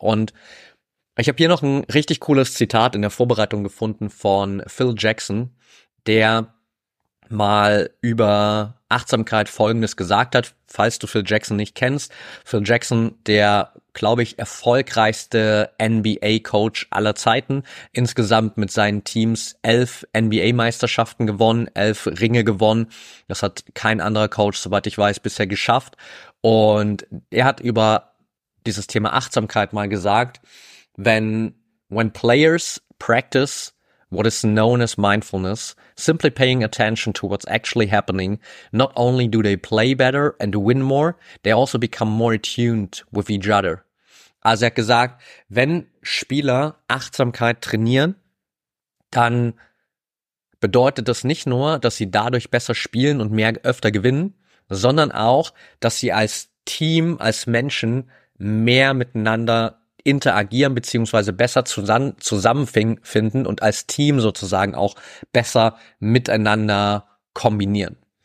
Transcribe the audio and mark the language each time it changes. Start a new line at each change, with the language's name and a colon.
German: Und ich habe hier noch ein richtig cooles Zitat in der Vorbereitung gefunden von Phil Jackson, der mal über Achtsamkeit Folgendes gesagt hat, falls du Phil Jackson nicht kennst. Phil Jackson, der, glaube ich, erfolgreichste NBA-Coach aller Zeiten, insgesamt mit seinen Teams 11 NBA-Meisterschaften gewonnen, 11 Ringe gewonnen. Das hat kein anderer Coach, soweit ich weiß, bisher geschafft. Und er hat über dieses Thema Achtsamkeit mal gesagt,
English: when players practice what is known as mindfulness, simply paying attention to what's actually happening, not only do they play better and win more, they also become more attuned with each other.
German: Also er hat gesagt, wenn Spieler Achtsamkeit trainieren, dann bedeutet das nicht nur, dass sie dadurch besser spielen und mehr öfter gewinnen, sondern auch, dass sie als Team, als Menschen mehr miteinander interagieren beziehungsweise besser zusammenfinden und als Team sozusagen auch besser miteinander kombinieren.